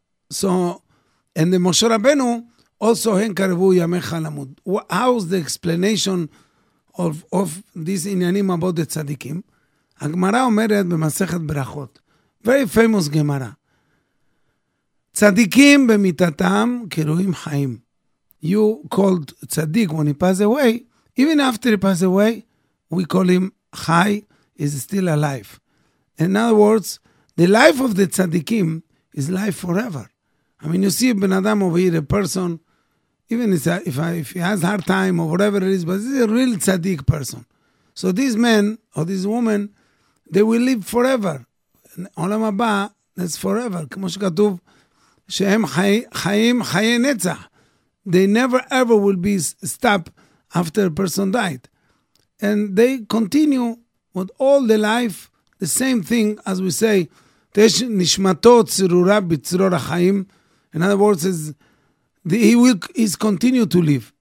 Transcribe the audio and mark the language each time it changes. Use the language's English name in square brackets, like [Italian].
[English] So, and the Moshe Rabbeinu, also [Hebrew] הן קרבו ימיך למות. [English] How's the explanation of these עניינים about the tzadikim? [Hebrew] הגמרא אומרת במסכת ברכות, [English] very famous [Hebrew] גמרא, צדיקים במיטתם כראויים חיים. [English] You called צדיק when he passed away, even after he passed away, we call him חי, he's still alive. In other words, the life of the צדיקים is life forever. I mean, you see [Hebrew] בן אדם [English] over here, a person, even if he has hard time or whatever it is, but he's a real צדיק person. So this man or this woman, they will live forever. Olam haba, that's forever. [Hebrew] כמו שכתוב, שהם חיים חיי נצח. [English] They never ever will be stopped after a person died. And they continue with all the life, the same thing as we say, [Hebrew] תש נשמתו צרורה בצרור החיים. [English] In other words, he's continue to live.